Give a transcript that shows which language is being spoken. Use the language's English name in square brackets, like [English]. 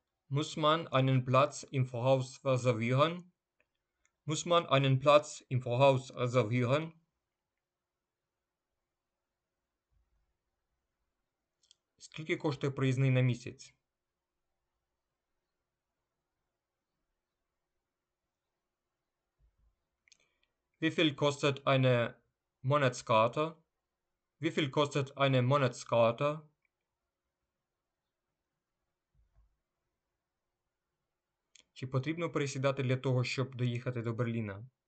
[German] Muss man einen Platz im Voraus reservieren? Muss man einen Platz im Voraus reservieren? [Ukrainian] Скільки коштує проїзний на місяць? [German] Wie viel kostet eine Monatskarte? Wie viel kostet eine Monatskarte? [Ukrainian] Чи потрібно пересідати для того, щоб доїхати до Берліна?